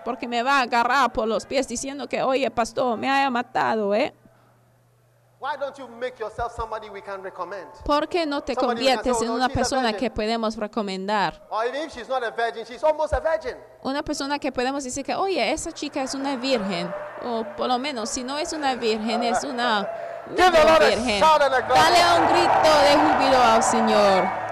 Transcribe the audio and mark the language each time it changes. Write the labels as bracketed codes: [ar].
[es] Porque me va a agarrar por los pies diciendo que, oye, pastor, me haya matado, [en] Why don't you make yourself somebody we can recommend? [es] ¿Por qué no te conviertes en una persona que podemos recomendar? [en] Or even if she's not a virgin, she's almost a virgin. [es] Una persona que podemos decir que, oye, esa chica es una virgen. O por lo menos, si no es una virgen, es una virgen. Dale un grito de júbilo al Señor.